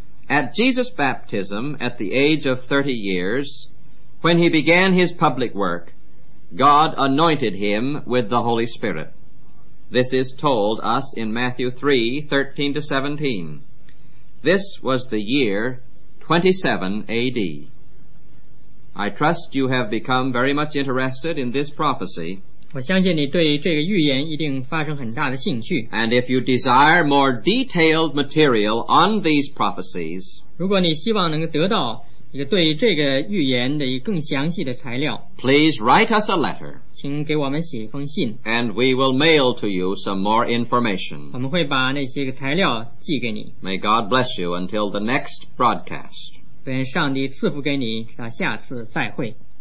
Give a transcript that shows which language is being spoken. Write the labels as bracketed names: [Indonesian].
[English] At Jesus' baptism at the age of 30 years, when he began his public work, God anointed him with the Holy Spirit. This is told us in Matthew 3:13-17. This was the year 27 A.D. I trust you have become very much interested in this prophecy [Chinese] 我相信你对这个预言一定发生很大的兴趣。 [English] And if you desire more detailed material on these prophecies, [Chinese] 如果你希望能得到一个对这个预言的一个更详细的材料， [English] Please write us a letter, [Chinese] 请给我们写一封信。 [English] And we will mail to you some more information. [Chinese] 我们会把那些个材料寄给你。 [English] May God bless you until the next broadcast. [Chinese] 愿上帝赐福给你，到下次再会。